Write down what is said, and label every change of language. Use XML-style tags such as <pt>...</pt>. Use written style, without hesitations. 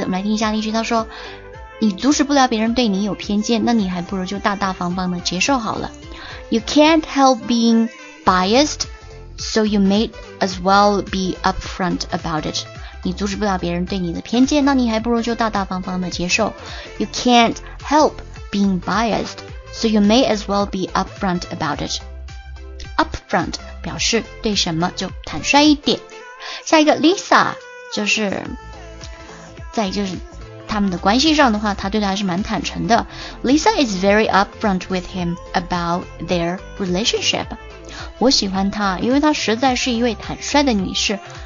<zh>我们来听一下例句，他说：“你阻止不了别人对你有偏见，那你还不如就大大方方的接受好了。”</zh> <en>You can't help being biased, so you may as well be upfront about it.</en> <zh>你阻止不了别人对你的偏见，那你还不如就大大方方的接受。</zh> <en>You can't help being biased, so you may as well be upfront about it.</en> <zh>Upfront 表示对什么就坦率一点。下一个 Lisa 就是在就是他们的关系上的话，他对他还是蛮坦诚的。</zh> <en>Lisa is very upfront with him about their relationship.</en> <zh>我喜欢她，因为她实在是一位坦率的女士。</zh>